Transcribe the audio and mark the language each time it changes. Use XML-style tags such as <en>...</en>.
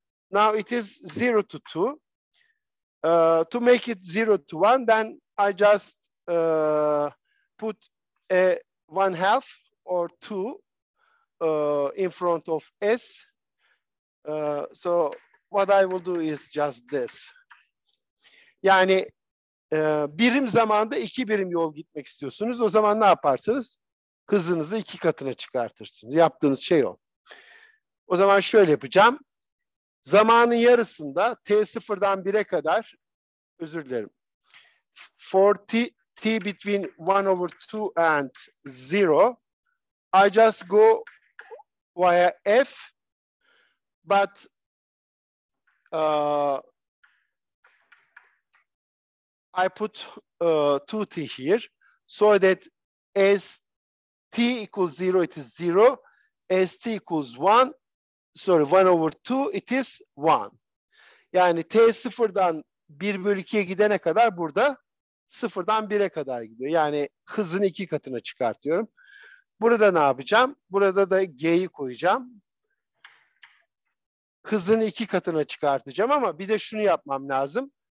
<en>Now it is 0 to 2. To make it 0 to 1, then I just put a 1 half or 2 in front of S. So what I will do is just this.</en> <tr>Yani birim zamanda iki birim yol gitmek istiyorsunuz. O zaman ne yaparsınız? Hızınızı iki katına çıkartırsınız. Yaptığınız şey o. O zaman şöyle yapacağım. Zamanın yarısında T0'dan 1'e kadar, özür dilerim.</tr> <en>For T between 1 over 2 and 0, I just go via F, but I put 2T here, so that as T equals 0, it is 0, as T equals 1, sorry, 1 over 2, it is 1.</en> <tr>Yani T 0'dan 1 bölü 2'ye gidene kadar burada 0'dan 1'e kadar gidiyor. Yani hızın iki katına çıkartıyorum. Burada ne yapacağım? Burada da G'yi koyacağım. Hızın iki katına çıkartacağım ama bir de şunu yapmam lazım.</tr>